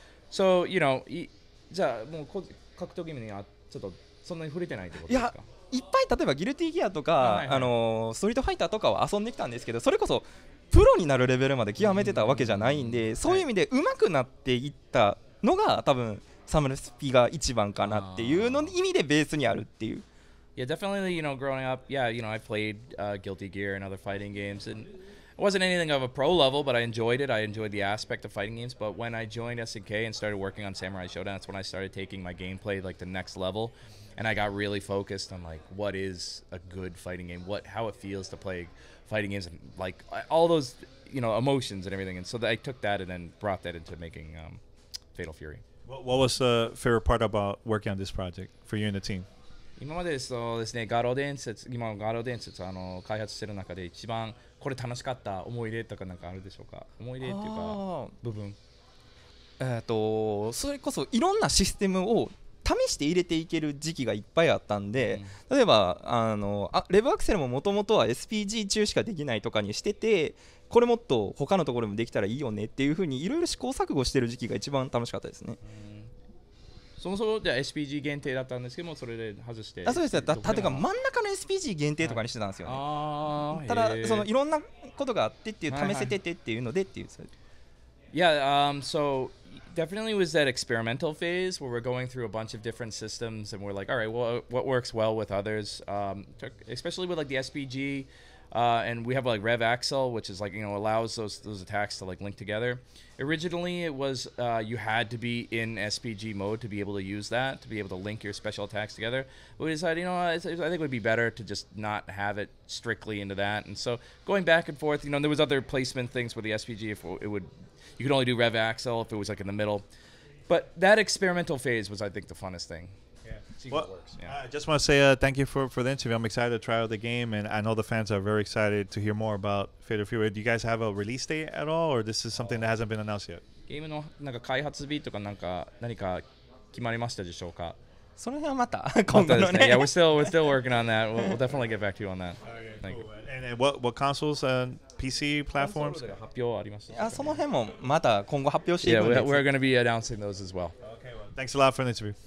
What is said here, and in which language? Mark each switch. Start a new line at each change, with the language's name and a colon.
English: So, you know,
Japanese: じゃあもう格闘ゲームにはちょっとそんなに触れてないってことですか。いっぱい例えばギルティギアとか、はいはい、ストリートファイターとかは遊んできたんですけど、それこそプロになるレベルまで極めてたわけじゃないんで、うん、そういう意味で上手くなっていったのが、はい、多分。サムルスピが一番かなっていうの意味でベースにあるっていう。
English: Yeah, definitely, you know, growing up, yeah, you know, I played Guilty Gear and other fighting games, and it wasn't anything of a pro level, but I enjoyed it. I enjoyed the aspect of fighting games, but when I joined SNK and started working on Samurai Showdown, that's when I started taking my gameplay like the next level, and I got really focused on like what is a good fighting game, how it feels to play fighting games, and like all those, you know, emotions and everything. And so I took that and then brought that into making Fatal Fury. What was the favorite part about working on this project for you and the team?
Japanese: 今までそうですね、ガロ伝説、今のガロ伝説、開発してる中で一番これ楽しかった思い出とかなんかあるでしょうか。思い出っていうか部分。それこそいろんなシステムを試して入れていける時期がいっぱいあったんで、うん、例えばレブアクセルももともとは SPG 中しかできないとかにしてて、これもっと他のところもできたらいいよねっていうふうにいろいろ試行錯誤してる時期が一番楽しかったですね。そもそもじゃあ SPG 限定だったんですけども、それで外して、あ、そうですよ。例えば真ん中の SPG 限定とかにしてたんですよね、はい、あ、ただそのいろんなことがあってっていう、試せててっていうのでっていう、はいはい、
English: Yeah, so definitely was that experimental phase where we're going through a bunch of different systems and we're like, all right, well, what works well with others, especially with like the SPG, and we have like Rev Axel, which is like, you know, allows those attacks to like link together. Originally, it was you had to be in SPG mode to be able to use that, to be able to link your special attacks together. But we decided, you know, I think it would be better to just not have it strictly into that. And so going back and forth, you know, and there was other placement things with the SPG, if it would, you could only do Rev Axel if it was like in the middle. But that experimental phase was, I think, the funnest thing. Well, what works. Yeah. I just want to say thank you for the interview. I'm excited to try out the game, and I know the fans are very excited to hear more about Fer Fury. Do you guys have a release date at all, or this is something that hasn't been announced yet?
Japanese: ゲームのなんか開発日とかなんか何か決まりましたでしょうか？その辺はまた今度ね。
English: Yeah, we're still working on that. We'll definitely get back to you on that. Okay, cool. And what consoles and PC platforms?
Japanese: 発表ありますか？あ、その辺もまた今後発表していくんです。
English: Yeah, we're going to be announcing those as well. Okay, well, thanks a lot for the interview.